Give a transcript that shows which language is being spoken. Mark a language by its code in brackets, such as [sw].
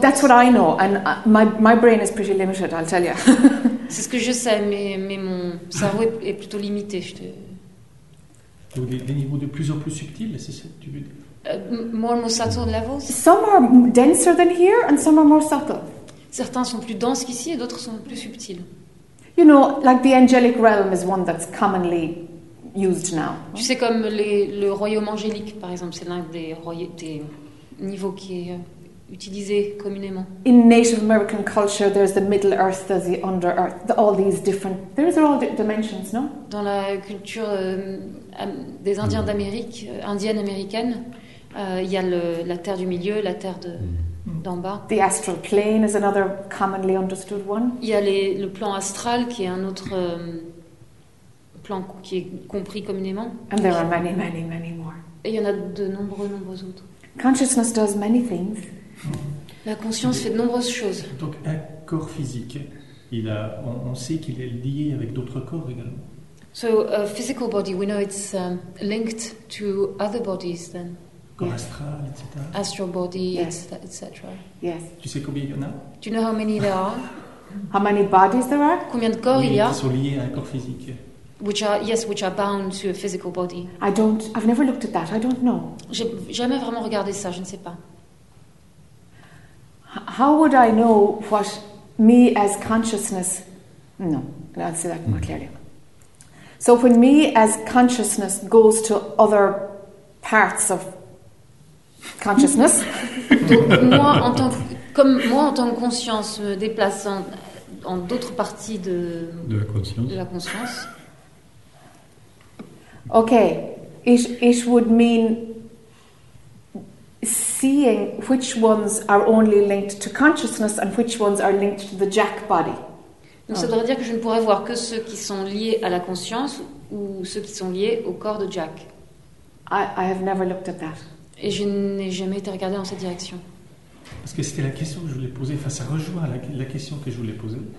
[en] That's what I know, and my brain is pretty limited, I'll tell you. [fr] C'est ce que je sais, mais mon cerveau est plutôt limité. Donc des niveaux de plus en plus subtils, c'est ça que tu veux dire? [en] More and more subtle levels. Some are denser than here, and some are more subtle. [fr] Certains sont plus denses qu'ici, et d'autres sont plus subtils. [en] You know, like the angelic realm is one that's commonly used now. [fr] Tu sais, comme le royaume angélique, par exemple, c'est l'un des niveaux qui est utilisé communément. [en] In Native American culture, there's the Middle Earth, there's the Under Earth, all these different. There's all dimensions, no? [fr] Dans la culture des Indiens d'Amérique, indienne américaine, il y a la terre du milieu, la terre de d'en bas. [en] The astral plane is another commonly understood one. [fr] Il y a le plan astral qui est un autre plan qui est compris communément. [en] And there are many, many, many more. [fr] Et il y en a de nombreux autres. [en] Consciousness does many things. [fr] La conscience fait de nombreuses choses. Donc un corps physique, on sait qu'il est lié avec d'autres corps également. [en] So a physical body, we know it's linked to other bodies then. [fr] Corps astral, etc. [en] Astral body, yes. Etc. Yes. [fr] Tu sais combien il y en a? [en] Do you know how many there are? How many bodies there are? [fr] Combien de corps il y a? Qui sont liés à un corps physique. [en] Which are bound to a physical body. I've never looked at that. I don't know. [fr] J'ai jamais vraiment regardé ça. Je ne sais pas. [en] How would I know what me as consciousness? No, I'll say that more clearly. So when me as consciousness goes to other parts of consciousness. [fr] Donc moi en tant que conscience me déplace en d'autres parties de la conscience. [en] Okay, it would mean seeing which ones are only linked to consciousness and which ones are linked to the jack body. [fr] Donc ça voudrait dire que je ne pourrais voir que ceux qui sont liés à la conscience ou ceux qui sont liés au corps de Jack. [en] I have never looked at that. [fr] Et je n'ai jamais été regardée dans cette direction. Parce que c'était la question que je voulais poser. Enfin, ça rejoint la question que je voulais poser.